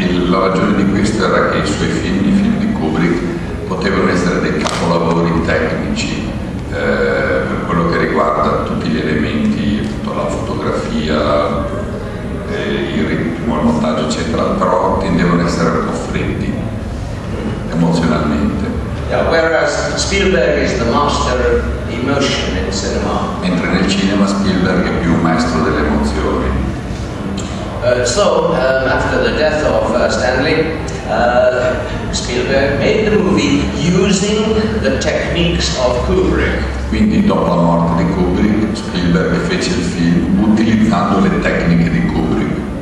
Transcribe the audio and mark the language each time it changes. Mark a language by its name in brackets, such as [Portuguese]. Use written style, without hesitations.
[Italian] La ragione di questo era che i film di Kubrick potevano essere dei capolavori tecnici per quello che riguarda tutti gli elementi, appunto la fotografia, il ritmo, il montaggio eccetera, però tendevano ad essere un po' freddi emozionalmente. [English] Whereas Spielberg is the master of emotion in cinema. [Italian] Mentre nel cinema Spielberg è più maestro delle emozioni. [English] So, after the death of Stanley, Spielberg made the movie using the techniques of Kubrick. [Italian] Quindi dopo la morte di Kubrick, Spielberg fece il film utilizzando le tecniche di Kubrick.